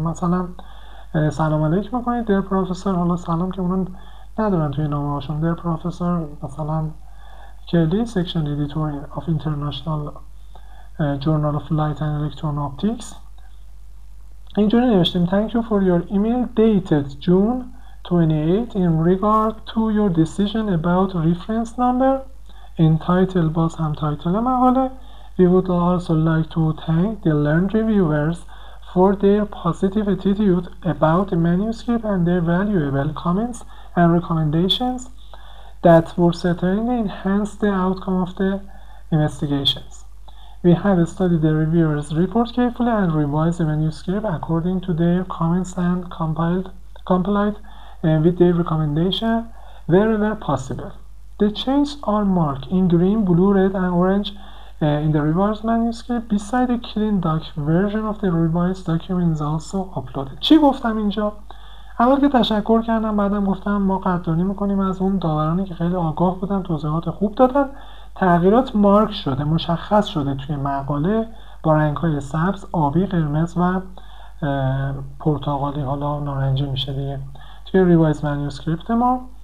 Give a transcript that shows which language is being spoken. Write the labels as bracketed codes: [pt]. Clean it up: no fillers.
[fa] مثلا سلام علیک میکنید در پروفسور، حالا سلام که اونم ندارن توی نامه هاشون، در پروفسور مثلا کلی سیکشن ایدیتور آف اینترنشنال جورنال آف لایت اند الکترون اپتیکس، اینجوری نوشتیم: [en] Thank you for your email dated June 28 in regard to your decision about reference number in title. [fa] باز هم تایتل مقاله. [en] We would also like to thank the learned reviewers for their positive attitude about the manuscript and their valuable comments and recommendations that were certainly enhanced the outcome of the investigations. We have studied the reviewers' report carefully and revised the manuscript according to their comments and complied with their recommendation wherever possible. The changes are marked in green, blue, red, and orange in the revised manuscript. Beside the clean doc version of the revised document is also uploaded. [fa] چی گفتم اینجا؟ اول که تشکر کردم، بعدم گفتم ما قدردانی میکنیم از اون داورانی که خیلی آگاه بودن، توضیحات خوب دادن، تغییرات مارک شده، مشخص شده توی مقاله با رنگ‌های سبز، آبی، قرمز و پرتقالی، حالا نارنجی میشه دیگه، توی ریوایز منیوسکریپت ما.